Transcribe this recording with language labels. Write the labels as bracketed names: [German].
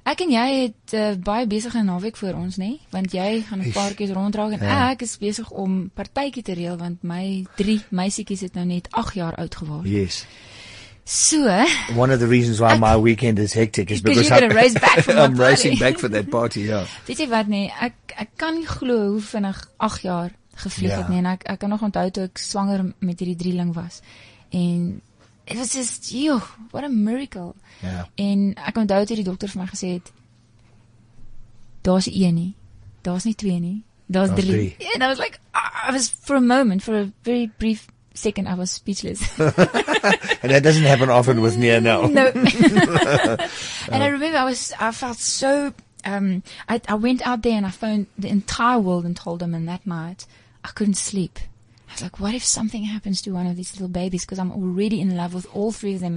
[Afrikaans] Ek en jy het baie besige naweek voor ons nê, want jy gaan 'n paar keer ronddraag en ek is besig om partytjie te reël want my 3 meisietjies het nou net 8 jaar oud geword. [English] Yes. So, one of the reasons why my weekend is hectic is because you're gonna race back for I'm racing back for that party, yeah. [Afrikaans] Weet jy wat nie, ek kan nie glo hoe vinnig 8 jaar gevlieg het nie, en ek kan nog onthou toe ek swanger met hierdie drieling was, en [English] it was just, what a miracle. Yeah. [Afrikaans] En ek onthou toe die dokter vir my gesê het, daar's 1 nie, daar's nie 2 nie, daar's 3. [English] And I was like, I was for a moment, for a very brief second, I was speechless. And that doesn't happen often with me now. No. And I remember I felt so, I went out there and I phoned the entire world and told them, and that night I couldn't sleep. I was like, what if something happens to one of these little babies? Because I'm already in love with all 3 of them.